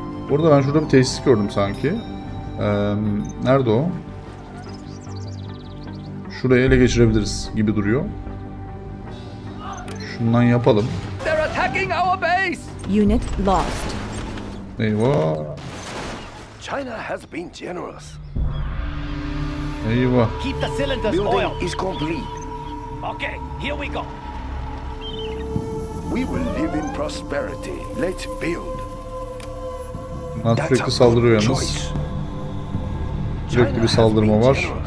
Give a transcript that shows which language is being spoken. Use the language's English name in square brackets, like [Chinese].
[Turkish] Burada ben şurada bir tesis gördüm sanki. Nerede o? Şurayı ele geçirebiliriz gibi duruyor. Şundan yapalım. [English] They're attacking our base. Unit lost. [Turkish] Eyvah. [English] China has been generous. [Turkish] Eyvah. [English] Keep the cylinders oil is complete. Okay, here we go. We will live in prosperity. Let's build. [Turkish] Matrix'e saldırı uyanız. Sürekli bir saldırma var.